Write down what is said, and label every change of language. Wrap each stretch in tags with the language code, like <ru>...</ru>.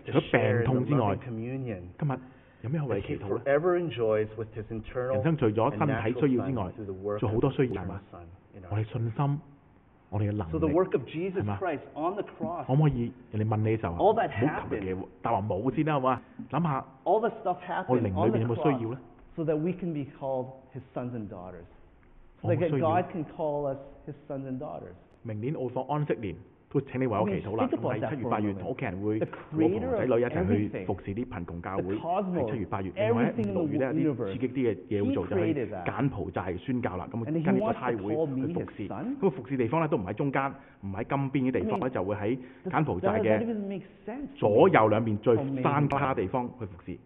<yue>除咗病痛之外，今日有咩為祈禱咧？人生除咗身體需要之外，仲有好多需要係嘛？我哋信心，我哋嘅能力係嘛？可唔可以人哋問你嘅時候，唔好求其嘅答話冇先啦，好嘛？諗下我靈裏邊有冇需要咧？</yue> <en>So that we can be called His sons and daughters, so that God can call us His sons and daughters.</en> <yue>明年我放安息年，都請你為我祈禱啦。喺七月八月，同屋企人會，我同仔女一齊去服侍啲貧窮教會。喺七月八月，另外六月咧有啲刺激啲嘅嘢要做，就係柬埔寨宣教啦。咁啊，跟住個差會去服侍。咁服侍地方咧都唔喺中間，唔喺金邊嘅地方咧，就會喺柬埔寨嘅左右兩邊最山卡嘅地方去服侍。</yue>